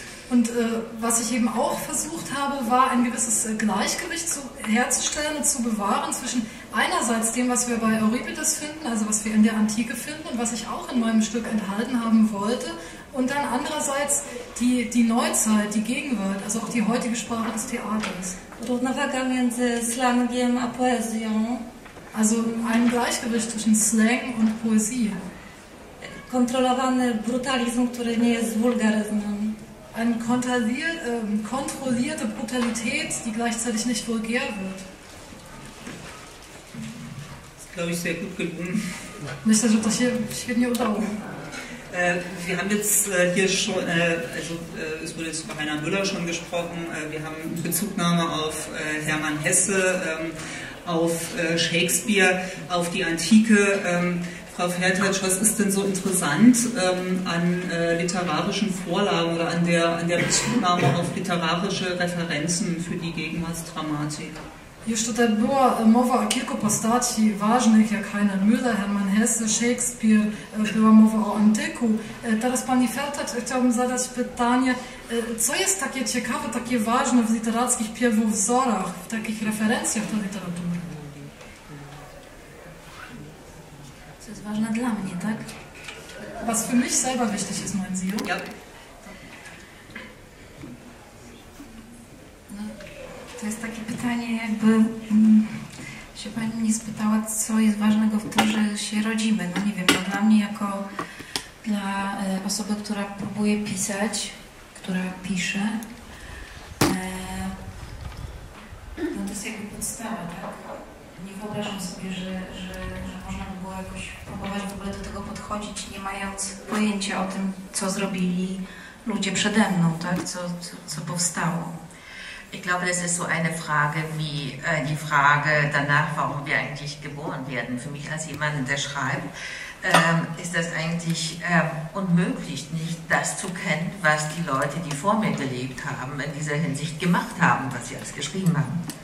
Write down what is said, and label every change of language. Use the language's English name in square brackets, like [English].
[German] Und was ich eben auch versucht habe, war ein gewisses Gleichgewicht herzustellen und zu bewahren zwischen einerseits dem, was wir bei Euripides finden, also was wir in der Antike finden und was ich auch in meinem Stück enthalten haben wollte, und dann andererseits die Neuzeit, die Gegenwart, also auch die heutige Sprache des Theaters. [Polish] Równowaga między slangiem a poezją. [German] Also ein Gleichgewicht zwischen Slang und Poesie. [Polish] Kontrolowany brutalizm, który nie jest wulgaryzmem. [German] Eine kontrollierte Brutalität, die gleichzeitig nicht vulgär wird. Das ist, glaube ich, sehr gut gelungen. Nicht, dass das hier, ich rede hier unter Augen. Wir haben jetzt hier schon, es wurde jetzt über Rainer Müller schon gesprochen, wir haben Bezugnahme auf Hermann Hesse, auf Shakespeare, auf die Antike. Frau Fertitsch, was ist denn so interessant an literarischen Vorlagen oder an der Bezugnahme auf literarische Referenzen für die Gegenwartsdramatik? [Polish] Jeszcze ta była mowa o kilku postaci ważnych, jak Heiner Müller, Hermann Hesse, Shakespeare, była mowa o antyku. Teraz pani Fertitsch, chciałbym zadać pytanie, co jest takie ciekawe, takie ważne w literackich pierwowzorach, w takich referencjach do literatury? [German] Das ist [Polish] ważne dla mnie, tak? [German] Was für mich selber wichtig ist, meinen Sie? Ja. [Polish] No, to jest takie pytanie, jakby się pani mnie spytała, co jest ważnego w tym, że się rodzimy. No nie wiem, no, dla mnie jako dla osoby, która próbuje pisać, która pisze, no to jest jakby podstawa, tak? Nie wyobrażam sobie, że można by było jakoś próbować w ogóle do tego podchodzić, nie mając pojęcia o tym, co zrobili ludzie przede mną, tak? Co powstało. [German] Ich glaube, das ist so eine Frage wie die Frage danach, warum wir eigentlich geboren werden. Für mich als jemanden, der schreibt, ist das eigentlich unmöglich, nicht das zu kennen, was die Leute, die vor mir gelebt haben, in dieser Hinsicht gemacht haben, was sie alles geschrieben haben.